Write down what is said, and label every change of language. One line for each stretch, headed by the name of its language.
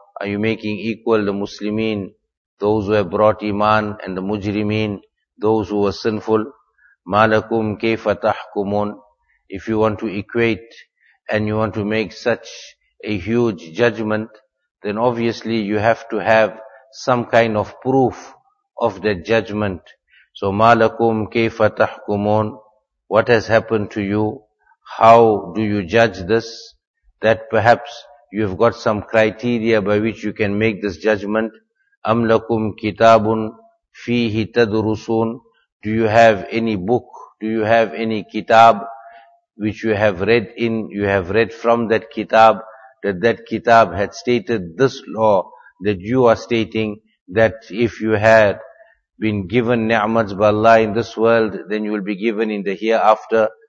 English: Are you making equal the Muslimin, those who have brought iman, and the Mujrimin, those who were sinful?
Arabic: مَا لَكُمْ كَيْفَ تَحْكُمُونَ.
English: If you want to equate and you want to make such a huge judgment, then obviously you have to have some kind of proof of that judgment. So,
Arabic: مَا لَكُمْ كَيْفَ تَحْكُمُونَ.
English: What has happened to you? How do you judge this? That perhaps you've got some criteria by which you can make this judgment.
Arabic: أَمْ لَكُمْ كِتَابٌ فِيهِ تَدْرُسُونَ.
English: Do you have any book? Do you have any kitab which you have read in, you have read from that kitab, that that kitab had stated this law that you are stating, that if you had been given ni'mats by Allah in this world, then you will be given in the hereafter.